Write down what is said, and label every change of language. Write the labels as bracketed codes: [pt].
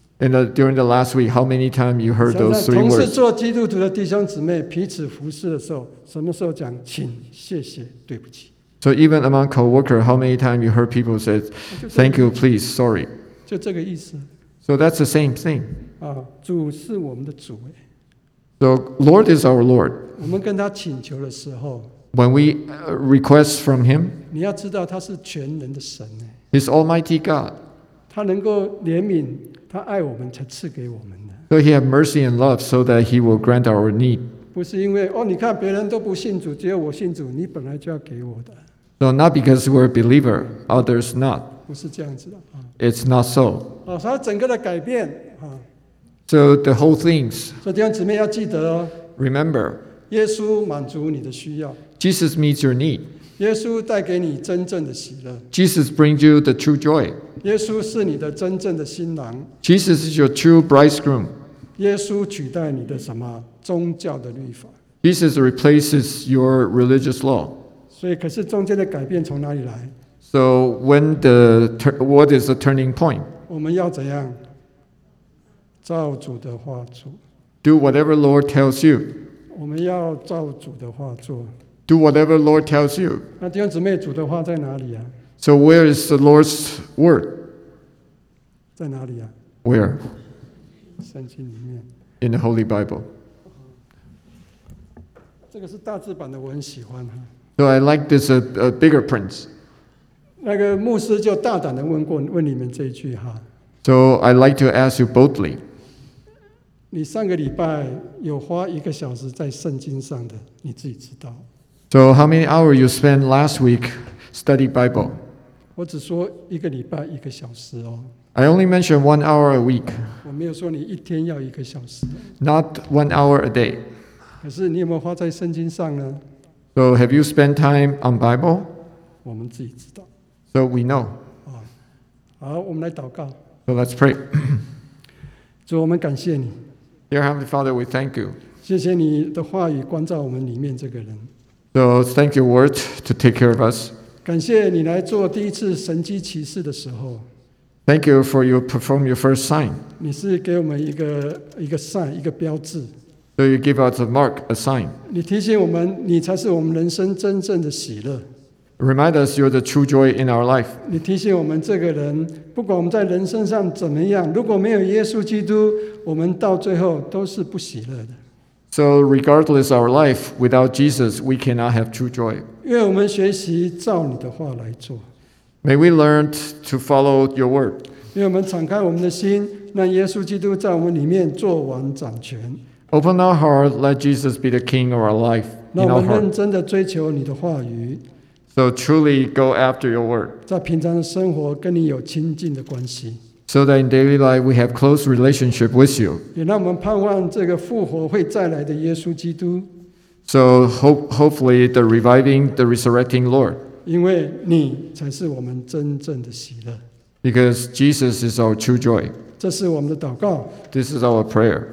[en] And during the last week how many times you heard those three words [zh] 同时做基督徒的弟兄姊妹彼此服侍的时候什么时候讲请谢谢对不起 [en] So even among co-workers how many times you heard people say thank you please sorry [zh] 就这个意思 [en] So that's the same thing [zh] 主是我们的主 [en] So Lord is our Lord. [zh] 我们跟他请求的时候 [en] when we request from him, [zh] 你要知道他是全能的神耶。 [en] He's Almighty God. [zh] 他能够怜悯，他爱我们才赐给我们的。 [en] So he had mercy and love so that he will grant our need. [zh] 不是因为，哦，你看别人都不信主，只有我信主，你本来就要给我的。 [en] So not because we're a believer, others not. [zh] 不是这样子的。 [en] It's not so. [zh] 哦，所以整个的改变，啊。 [en] So the whole things. [zh] 所以弟兄姊妹要记得哦。 [en] Remember. [zh] 耶稣满足你的需要。 [en] Jesus meets your need. [zh] 耶稣带给你真正的喜乐。 [en] Jesus brings you the true joy. [zh] 耶稣是你的真正的新郎。 [en] Jesus is your true bridegroom. [zh] 耶稣取代你的什么宗教的律法。 [en] Jesus replaces your religious law. [zh] 所以可是中间的改变从哪里来？ [en] So when the what is the turning point? [zh] 我们要怎样照主的话做 [en] ？Do whatever Lord tells you. [zh] 我们要照主的话做。 [en] Do whatever Lord tells you. [zh] 那弟兄姊妹，主的话在哪里啊 [en] ？So where is the Lord's word? [zh] 在哪里啊 [en] ？Where? [zh] 圣经里面。 [en] In the Holy Bible. [zh] 这个是大字版的，我很喜欢哈。 [en] So I like this a bigger print. [zh] 那个牧师就大胆地问你们这一句哈。 [en] So I'd like to ask you boldly. [zh] 你上个礼拜有花一个小时在圣经上的，你自己知道。 [en] So how many hours you spent last week study Bible? [zh] 我只说一个礼拜一个小时哦。 [en] I only mentioned 1 hour a week. [zh] 我没有说你一天要一个小时。 [en] Not 1 hour a day. [zh] 可是你有没有花在圣经上呢 [en] ？So have you spent time on Bible? [zh] 我们自己知道。 [en] So we know. [zh] 好，我们来祷告。 [en] So let's pray. [zh] 主，我们感谢你。 [en] Dear Heavenly Father, we thank you. [zh] 谢谢你的话语关照我们里面这个人。 [en] So thank your word to take care of us. [zh] 感谢你来做第一次神迹奇事的时候。 [en] Thank you for you perform your first sign. [zh] 你是给我们一个 sign, 一个标志。 [en] So you give us a mark, a sign. [zh] 你提醒我们，你才是我们人生真正的喜乐。 [en] Remind us you're the true joy in our life. [zh] 你提醒我们这个人，不管我们在人生上怎么样，如果没有耶稣基督，我们到最后都是不喜乐的。 [en] So regardless our life, without Jesus, we cannot have true joy. [zh] 愿我们学习照你的话来做。 [en] May we learn to follow your word. [zh] 愿我们敞开我们的心，让耶稣基督在我们里面做王掌权。 [en] Open our heart, let Jesus be the king of our life. [zh] 让我们认真地追求你的话语。 [en] So truly go after your word. [zh] 在平常的生活跟你有亲近的关系。 [en] So that in daily life we have close relationship with you. [zh] 也让我们盼望这个复活会再来的耶稣基督。 [en] So hopefully the reviving, the resurrecting Lord. [zh] 因为你才是我们真正的喜乐。 [en] Because Jesus is our true joy. [zh] 这是我们的祷告。 [en] This is our prayer.